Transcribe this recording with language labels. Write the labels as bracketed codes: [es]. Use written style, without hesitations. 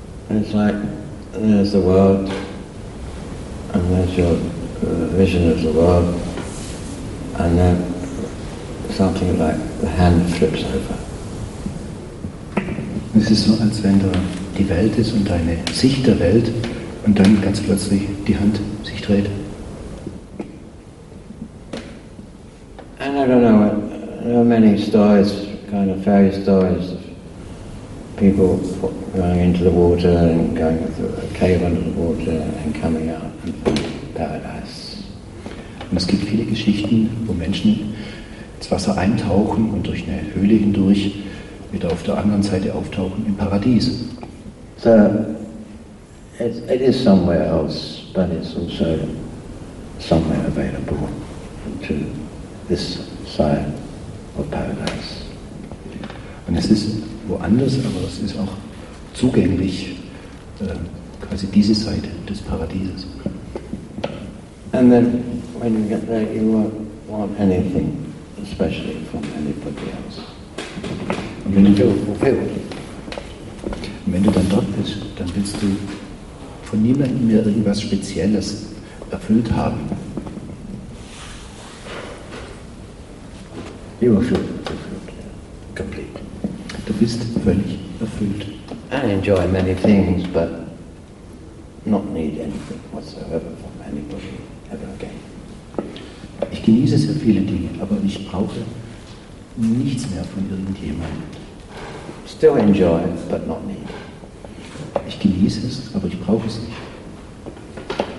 [en] It's like there's the world, and there's your vision of the world, and then something like the hand flips over. [de] Es ist so, als wenn da die Welt ist und deine Sicht der Welt, und dann ganz plötzlich die Hand sich dreht. [en] And I don't know, there are many stories, kind of fairy stories, of people going into the water and going through a cave under the water and coming out and finding paradise. [de] Und es gibt viele Geschichten, wo Menschen ins Wasser eintauchen und durch eine Höhle hindurch wieder auf der anderen Seite auftauchen im Paradies. [en] So, it is somewhere else, but it's also somewhere available to this side of paradise. [de] Und es ist woanders, aber es ist auch zugänglich, quasi diese Seite des Paradieses. [en] And then, when you get there, you won't want anything, especially from anybody else. [de] Und wenn du [en] fulfilled. [de] Und wenn du dann dort bist, dann willst du von niemandem mehr irgendwas Spezielles erfüllt haben. [en] You are fulfilled. Complete. [de] Du bist völlig erfüllt. [en] I enjoy many things, but not need anything whatsoever from anybody ever again. [de] Ich genieße sehr viele Dinge, aber ich brauche nichts mehr von irgendjemandem. [en] Still enjoy, but not need. [de] Ich genieße es, aber ich brauche es nicht.